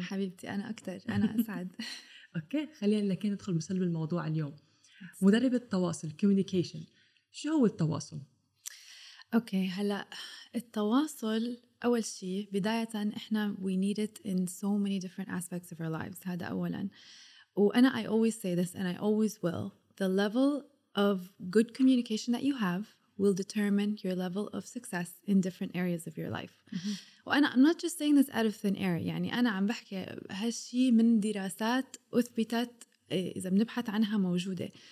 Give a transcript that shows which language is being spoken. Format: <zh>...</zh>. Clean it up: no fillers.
<ar>حبيبتي أنا أكثر، أنا أسعد. أوكي خلينا لك ندخل بصلب الموضوع اليوم. مدربة التواصل communication، شو هو التواصل؟ أوكي هلأ التواصل أول شيء بداية إحنا</ar> <en>we need it in so many different aspects of our lives.</en> <ar>هذا أولا، وأنا</ar> <en>I always say this and I always will, the level of good communication that you have will determine your level of success in different areas of your life.</en> <ar>وأنا</ar> <en>I'm not just saying this out of thin air.</en> <ar>يعني أنا عم بحكي هالشي من دراسات أثبتت إذا بنبحث عنها موجودة.</ar>